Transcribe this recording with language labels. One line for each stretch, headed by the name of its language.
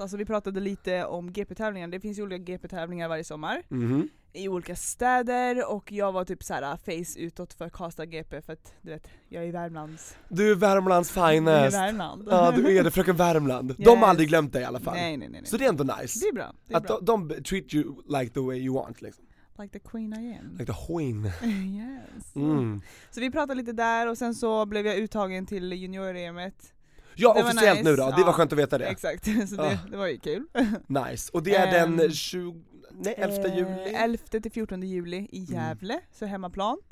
Swedish: Alltså, vi pratade lite om GP-tävlingar. Det finns ju olika GP-tävlingar varje sommar. Mm-hmm. I olika städer, och jag var typ så här face utåt för Karlstad GP, för att du vet, jag är i Värmlands. Du är Värmlands finest. Är Värmland. Ja, du är det, fröken Värmland. Yes. De har aldrig glömt dig i alla fall. Nej. Så det är ändå nice. Det är bra. Det är att bra.
English: De treat you like the way you want.
Swedish: Liksom.
English: Like the queen I am. Like the queen. Yes. Mm.
Swedish: Så vi pratade lite där, och sen så blev jag uttagen till junior-EM:et. Ja, det officiellt nice. Nu då. Det var skönt att veta det. Exakt. Så det var ju kul. Nice. Och det är den 11 juli. 11 till 14 juli i Gävle. Mm. Så hemmaplan.